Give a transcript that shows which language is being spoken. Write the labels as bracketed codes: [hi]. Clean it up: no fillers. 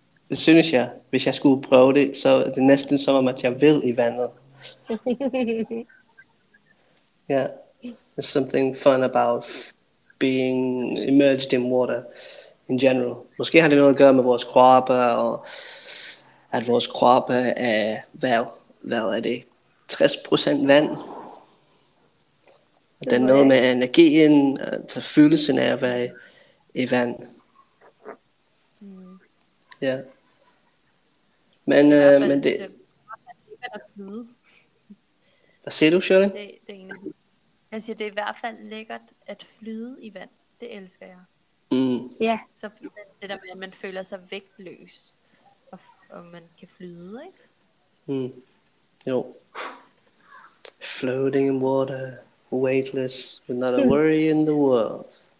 [da] Det synes jeg, hvis jeg skulle prøve det, så er det næsten som om, at jeg vil i vandet. Ja, yeah. [en] There's something fun about being immersed in water. In general. [da] Måske har det noget at gøre med vores kroppe, og at vores kroppe er, hvad er det, 60% vand. Og det er noget med energien, altså følelsen af at være i vand. Mm. Ja. Men det... Hvad siger du, Shirley? Jeg siger, det er i hvert fald lækkert at flyde i vand. Det elsker jeg. Ja. Så det der med, at man føler sig vægtløs, og man kan flyde, ikke? Mm. Jo. [en] Floating in water, weightless, with not a worry in the world.